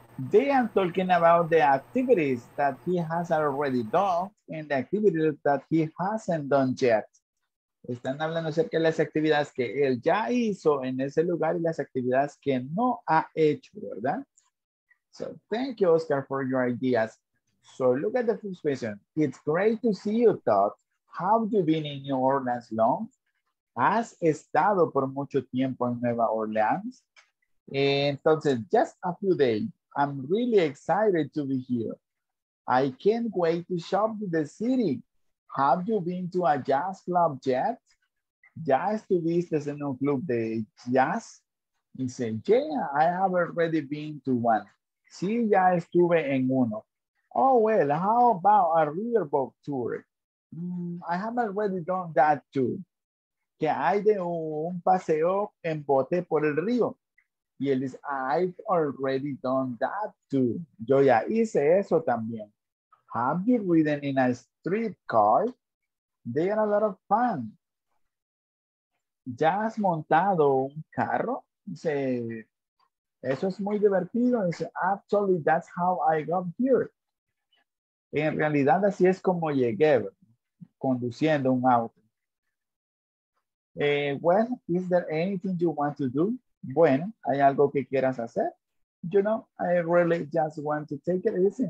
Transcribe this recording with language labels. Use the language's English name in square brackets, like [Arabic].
[English] They are talking about the activities that he has already done and the activities that he hasn't done yet. [Spanish] Están hablando acerca de las actividades que él ya hizo en ese lugar y las actividades que no ha hecho, ¿verdad? [English] So, thank you, Oscar, for your ideas. So, look at the first question. It's great to see you, Todd. Have you been in New Orleans long? [Spanish] ¿Has estado por mucho tiempo en Nueva Orleans? [English] Entonces, just a few days. I'm really excited to be here. I can't wait to shop in the city. Have you been to a jazz club yet? [Spanish] ¿Ya estuviste en un club de jazz? Dice, [English] yeah, I have already been to one. [Spanish] Sí, ya estuve en uno. [English] Oh, well, how about a riverboat tour? I have already done that too. [Spanish] Que hay de un paseo en bote por el río. Y él dice, [English] I've already done that too. [Spanish] Yo ya hice eso también. [English] Have you ridden in a streetcar? They are a lot of fun. [Spanish] ¿Ya has montado un carro? Dice, eso es muy divertido. Dice, [English] actually, that's how I got here. [Spanish] En realidad, así es como llegué, conduciendo un auto. [English] Well, is there anything you want to do? [Spanish] Bueno, ¿hay algo que quieras hacer? [English] You know, I really just want to take it easy.